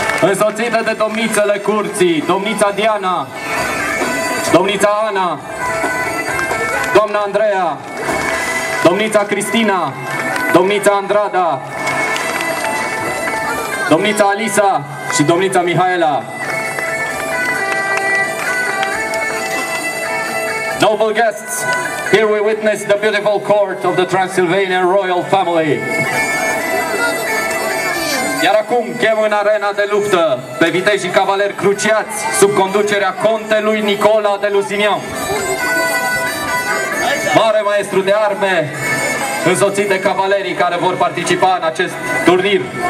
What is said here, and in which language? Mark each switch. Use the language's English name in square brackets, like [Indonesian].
[Romanian] Însoțită de domnițele curții, domnița Diana, domnița Ana, doamna Andreea, domnița Cristina, domnița Andrada, domnița Alisa și domnița Mihaela. [English] Noble guests, here we witness the beautiful court of the Transylvania royal family. [Romanian] Iar acum chem în arena de luptă pe viteji cavaleri cruciați sub conducerea contelui Nicola de Lusignan. Mare maestru de arme, însoțit de cavalerii care vor participa în acest turnir.